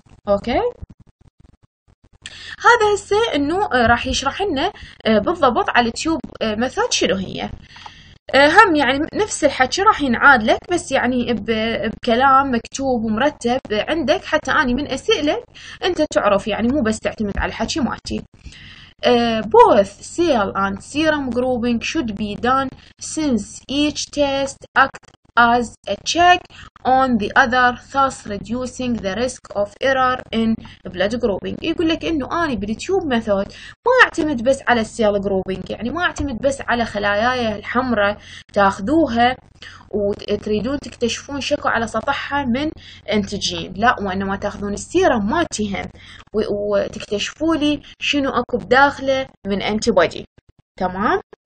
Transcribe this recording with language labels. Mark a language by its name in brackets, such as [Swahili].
[Arabic] اوكي هذا هسه انه راح يشرح لنا بالضبط على اليوتيوب ميثود شنو هي، هم يعني نفس الحكي راح ينعاد لك بس يعني بكلام مكتوب ومرتب عندك، حتى اني من اسئلك انت تعرف يعني مو بس تعتمد على الحكي مالتي. [English] Both cell and serum grouping should be done since each test act as a check on the other thus reducing the risk of error in blood grouping. [Arabic] يقول لك انه انا بالتيوب ميثود ما اعتمد بس على السيل جروبينج، يعني ما اعتمد بس على خلاياي الحمراء تاخذوها وتريدون تكتشفون شكو على سطحها من انتجين، لا وانما تاخذون السيرم ماتهم وتكتشفوا لي شنو اكو بداخله من انتيبودي، تمام؟